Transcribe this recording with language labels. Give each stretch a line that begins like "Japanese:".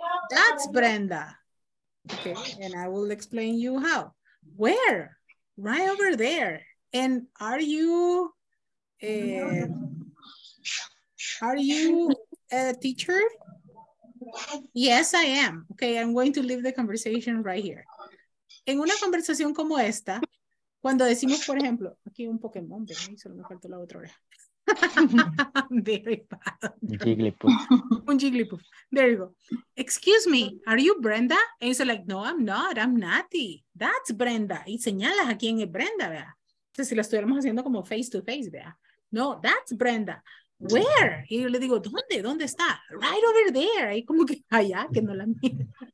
English: That's Brenda. Okay, and I will explain you how. Where? Right over there. And are you? Are you a teacher? Yes, I am. Okay, I'm going to leave the conversation right here.
Spanish: En una conversación como esta, cuando decimos, por ejemplo, aquí un Pokémon, ¿verdad? Solo me faltó la otra hora. Un Jigglypuff.
English: There you go. Excuse me, are you Brenda? And you're like, no, I'm not, I'm Nati. That's Brenda.
Spanish: Y señalas a quién es Brenda, ¿verdad? Entonces, si la estuviéramos haciendo como
English: face to face,
Spanish: ¿verdad?
English: No, that's Brenda. Where?
Spanish: Y yo le digo, ¿dónde? ¿Dónde está?
English: Right over there.
Spanish: Ahí como que allá, que no la mira.